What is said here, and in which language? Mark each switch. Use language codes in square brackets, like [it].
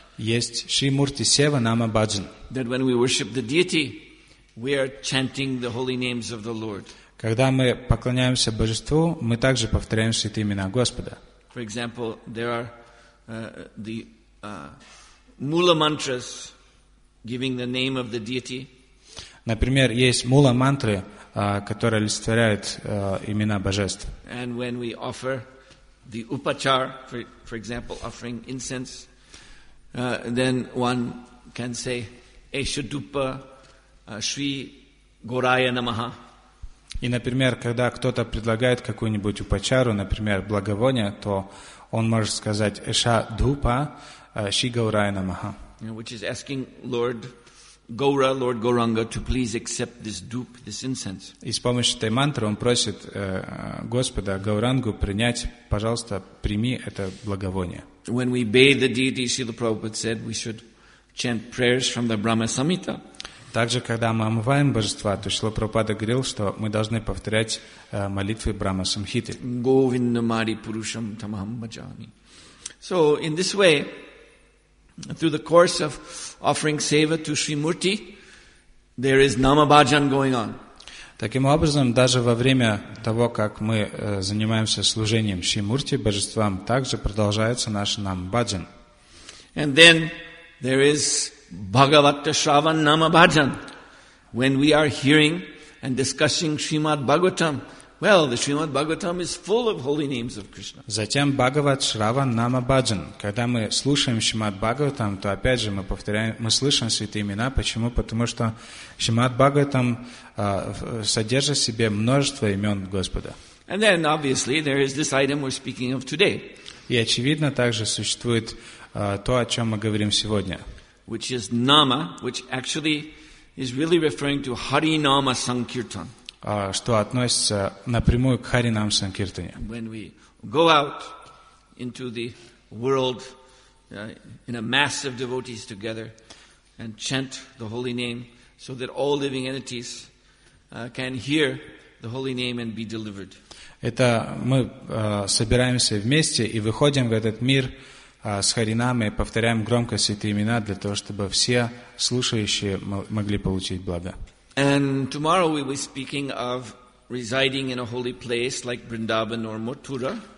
[ru] Есть Шри Мурти Сева Нама Бхаджан. [en] That when we worship the deity, we are chanting the holy names of the Lord. [ru] Когда мы поклоняемся Божеству, мы также повторяем святые имена Господа. [en] For example, there are the mula mantras giving the name of the deity. [ru] Например, есть мула мантры, которые олицетворяют имена Божеств. [en] And when we offer the upachar, for example, offering incense, then one can say, [sa] Eshadupa Shri Goraya Namaha. [ru] И, например, когда кто-то предлагает какую-нибудь упачару, например, благовоние, то он может сказать [sa] «Эша дупа ши гаурай намаха». [en] Which is asking Lord Gaura, Lord Gauranga, to please accept this dupe, this incense. [ru] И с помощью этой мантры он просит Господа Гаурангу принять, пожалуйста, прими это благовоние. [en] When we bathe the deity, Srila Prabhupada said, we should chant prayers from the Brahma Samhita. [ru] Также, когда мы омываем божества, то Шрила Прабхупада говорил, что мы должны повторять молитвы Брахма Самхиты. [sa] Говинда мари пурушам тамахам баджами. [en] So, in this way, through the course of offering seva to Sri Murti, there is nama bhajan going on. [ru] Таким образом, даже во время того, как мы занимаемся служением Шри Мурти, божествам, также продолжается наш нама бхаджан. [en] And then there is Bhagavata Shravan Nama Bhajan. When we are hearing and discussing Srimad Bhagavatam, well, the Srimad Bhagavatam is full of holy names of Krishna. [ru] Затем Bhagavat Shravan Nama Bhajan. Когда мы слушаем Шримад Бхагаватам, то опять же мы повторяем, мы слышим святые имена. Почему? Потому что Шримад Бхагаватам содержит в себе множество имен Господа. [en] And then, obviously, there is this item we're speaking of today. [ru] И очевидно также существует то, о чем мы говорим сегодня. [en] Which is nama, which actually is really referring to Hari Nama Sankirtan. [ru] Что относится напрямую к Хари Нам Санкиртане. [en] When we go out into the world in a mass of devotees together and chant the holy name, so that all living entities can hear the holy name and be delivered. [ru] Это мы собираемся вместе и выходим в этот мир с харинами, повторяем громко святые имена для того, чтобы все слушающие могли получить благо. [en] And tomorrow we will be speaking of residing in a holy place like Vrindavan or Mathura.